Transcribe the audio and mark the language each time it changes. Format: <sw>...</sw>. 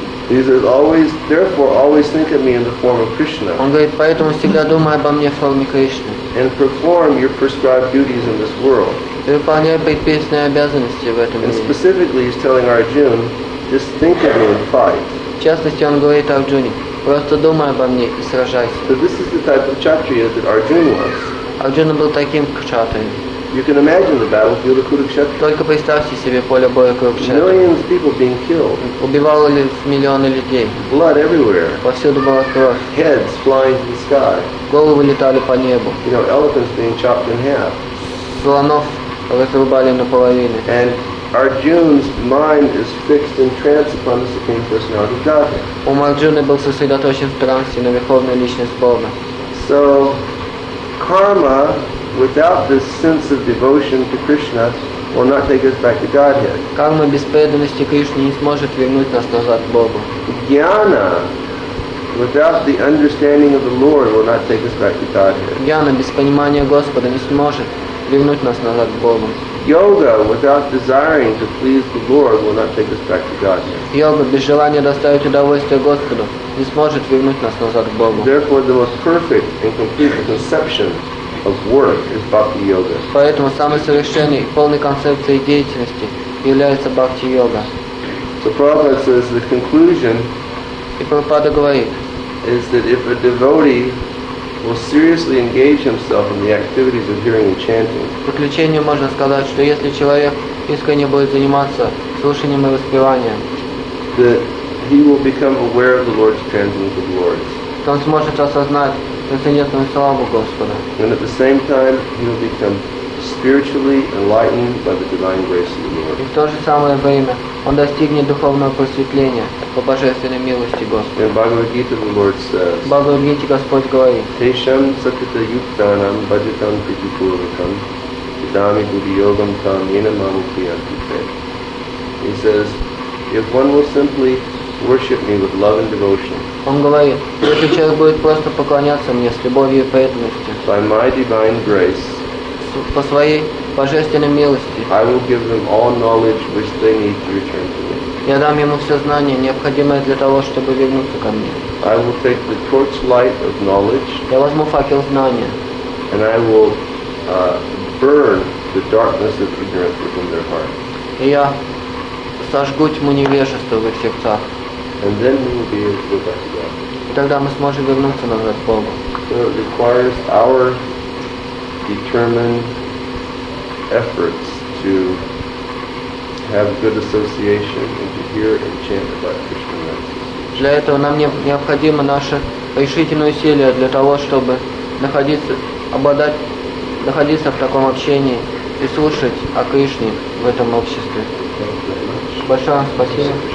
<en>He says, therefore always think of me in the form of Krishna.</en> <ru>Он говорит, поэтому всегда думай обо мне в форме Кришны.</ru> <en>And perform your prescribed duties in this world.</en> <ru>И выполняй предписанные обязанности в этом мире.</ru> <en>And specifically, he's telling Arjun, just think of me and fight.</en> <ru>В частности, он говорит Арджуне, просто думай обо мне и сражайся.</ru> <en>So this is the type of kshatriya that Arjuna was.</en> <ru>Arjuna был таким кшатрием.</ru> <en>You can imagine the battlefield of Kurukshetra.</en> <ru>Только представьте себе поле боя Курукшетра.</ru> <en>Millions of people being killed.</en> <ru>Убивали миллионы людей.</ru> <en>Blood everywhere.</en> <ru>Повсюду была кровь.</ru> <en>Heads flying to the sky.</en> <ru>Головы летали по небу.</ru> <en>You know, elephants being chopped in half.</en> <ru>Слонов разрубали наполовину.</ru> <en>And Arjuna's mind is fixed in trance upon the Supreme Personality of Godhead.</en> <ru>Ум Арджуны был сосредоточен в трансе на верховной личности Бога.</ru> <en>So, karma, without this sense of devotion to Krishna, will not take us back to Godhead.</en> <ru>Карма без преданности Кришне не сможет вернуть нас назад к Богу.</ru> <en>Jnana, without the understanding of the Lord, will not take us back to Godhead.</en> <ru>Jnana без понимания Господа не сможет вернуть нас назад к Богу.</ru> <en>Yoga, without desiring to please the Lord, will not take us back to Godhead.</en> <ru>Йога без желания доставить удовольствие Господу не сможет вернуть нас назад к Богу.</ru> <en>Therefore, the most perfect and complete conception of work is Bhakti Yoga.</en> <ru>Поэтому самый совершенный и полный концепции деятельности является Bhakti Yoga.</ru> <en>So Prabhupada says the conclusion is that if a devotee will seriously engage himself in the activities of hearing and chanting.</en> <ru>В заключение можно сказать, что если человек искренне будет заниматься слушанием и воспеванием,</ru> <en>that he will become aware of the Lord's transcendental glories.</en> <ru>То он сможет осознать трансцендентную славу Господа.</ru> <en>And at the same time, he will become spiritually enlightened by the divine grace of the Lord.</en> <ru>И в то же самое время он достигнет духовного просветления по божественной милости Господа.</ru> <en>In Bhagavad Gita, the Lord says.</en> <ru>В Бхагавад Гите Господь говорит.</ru> <sa>Тешам сакита юктанам баджитам питипуракам идами буди йогам там ена маму приянти те.</sa> <en>He says, if one will simply worship me with love and devotion.</en> <ru>Он говорит, если человек будет просто поклоняться мне с любовью и преданностью.</ru> <en>By my divine grace.</en> <ru>По своей божественной милости.</ru> <en>I will give them all knowledge which they need to return to me.</en> <ru>Я дам ему все знания, необходимое для того, чтобы вернуться ко мне.</ru> <en>I will take the torch light of knowledge.</en> <ru>Я возьму факел знания.</ru> <en>And I will burn the darkness of ignorance within their heart.</en> <ru>И я сожгу тьму невежества в их сердцах.</ru> <en>And then we will be able to go back to God.</en> <ru>И тогда мы сможем вернуться назад к Богу.</ru> <en>So it requires our determined efforts to have good association and to hear and chant about Krishna Mantra.</en> <ru>Для этого нам необходимо наше решительное усилие для того, чтобы находиться в таком общении и слушать о Кришне в этом обществе. Большое спасибо.</ru>